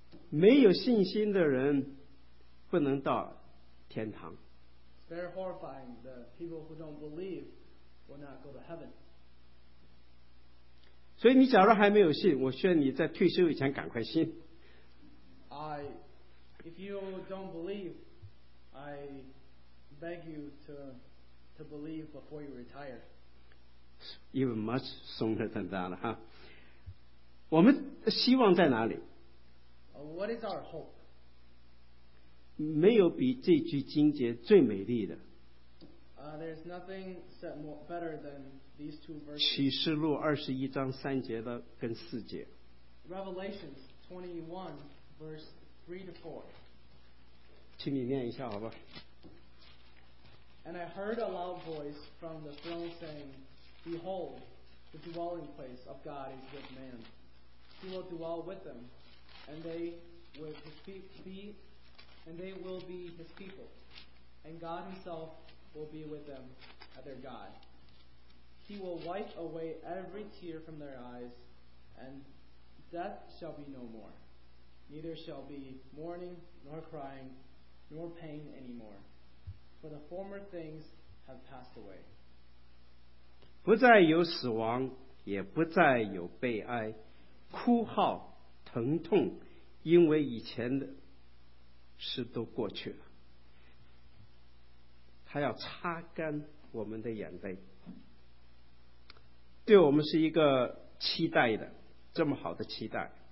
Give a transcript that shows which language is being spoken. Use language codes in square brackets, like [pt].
[zh] 没有信心的人不能到天堂。 [en] It's very horrifying. The people who don't believe will not go to heaven. [zh] 所以你假如还没有信，我劝你在退休以前赶快信。 [en] If you don't believe, I beg you to believe before you retire. Even much sooner than that, huh? [zh] 我们希望在哪里？ [en] What is our hope? [zh] 没有比这句经节最美丽的。 [en] There's nothing said more better than these two verses. [zh] 启示录二十一章三节的跟四节。 [en] Revelation 21 verse 3 to 4. [zh] 请你念一下好吧。 [en] And I heard a loud voice from the throne saying, Behold, the dwelling place of God is with man. He will dwell with them, and they will be his people. And God himself will be with them as their God. He will wipe away every tear from their eyes, and death shall be no more. Neither shall be mourning, nor crying, nor pain anymore. For the former things have passed away. [zh] 不再有死亡，也不再有悲哀、哭号、疼痛，因为以前的事都过去了。他要擦干我们的眼泪，对我们是一个期待的，这么好的期待。